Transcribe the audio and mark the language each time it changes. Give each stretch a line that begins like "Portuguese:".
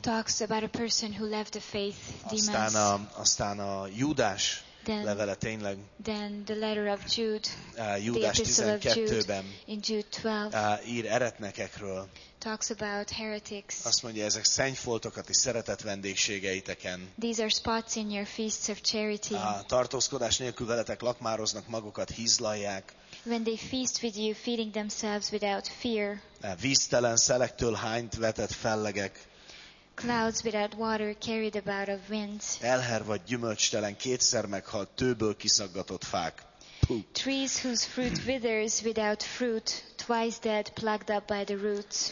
English: talks about a person who left the faith, Demas.
Hungarian: Aztán a Júdás levele tényleg.
English: Then the letter of Jude,
Hungarian: Júdás 12-ben ír eretnekekről.
English: Talks about heretics.
Hungarian: Azt mondja, ezek szennyfoltokat is szeretett vendégségeiteken.
English: These are spots in your feasts of charity.
Hungarian: Tartózkodás nélkül veletek lakmároznak, magukat hízlalják.
English: When they feast with you, feeding themselves without fear.
Hungarian: Víztelen szelektől hányt vetett fellegek.
English: Clouds without water carried about of winds.
Hungarian: Elhervadt gyümölcstelen kétszer meghalt tőből kiszaggatott fák.
English: Trees whose fruit withers without fruit, twice dead, plucked up by the roots.